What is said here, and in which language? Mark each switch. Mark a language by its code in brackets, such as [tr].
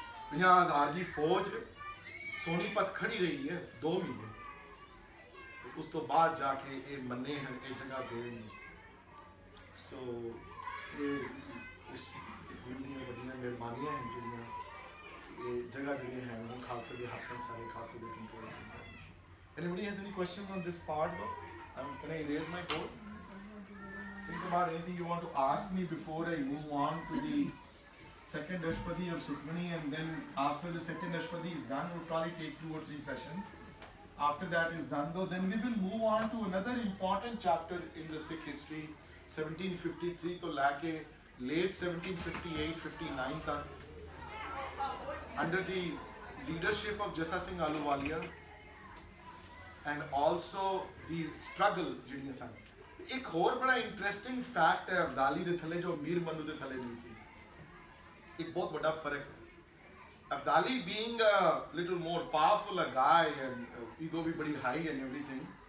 [pa] ਪੰਜਾਂ ਹਜ਼ਾਰ ਦੀ ਫੌਜ ਸੋਨੀਪਤ ਖੜੀ ਰਹੀ ਹੈ 2 ਮਹੀਨੇ ਤੇ ਉਸ ਤੋਂ ਬਾਅਦ ਜਾ ਕੇ ਇਹ ਮੰਨੇ ਹਨ ਇਹ ਜਗ੍ਹਾ ਦੇ ਸੋ ਇਹ ਗੁਰੂ ਦੀਆਂ ਵੱਡੀਆਂ ਮਿਹਰਬਾਨੀਆਂ ਹਨ ਜਿਹੜੀਆਂ ਇਹ ਜਗ੍ਹਾ ਜਿਹੜੀਆਂ ਹੈ ਉਹ ਖਾਲਸੇ ਦੇ ਹੱਥ ਹਨ ਸਾਰੇ ਖਾਲਸੇ ਦੇ ਕੰਟਰੋਲ ਹਨ ਸਾਰੇ [en] Anybody has any questions on this part though? I'm going to erase my board. Think about anything you want to ask me before I move on to the second Ashpati of Sukhmani and then after the second Ashpati is done, we'll probably take 2 or 3 sessions. After that is done though, then we will move on to another important chapter in the Sikh history. 1753 to late 1758-59 under the leadership of Jassa Singh Ahluwalia and also the struggle [pa] ਜਿਹੜੀਆਂ ਸਨ ਇੱਕ ਹੋਰ ਬੜਾ interesting fact ਹੈ ਅਬਦਾਲੀ ਦੇ ਥੱਲੇ ਜੋ ਮੀਰ ਮੰਨੂ ਦੇ ਥੱਲੇ ਨਹੀਂ ਸੀ ਇੱਕ ਬਹੁਤ ਵੱਡਾ ਫਰਕ ਹੈ Abdali [en] being a little more powerful a guy and ego [pa] ਵੀ ਬੜੀ [en] high and everything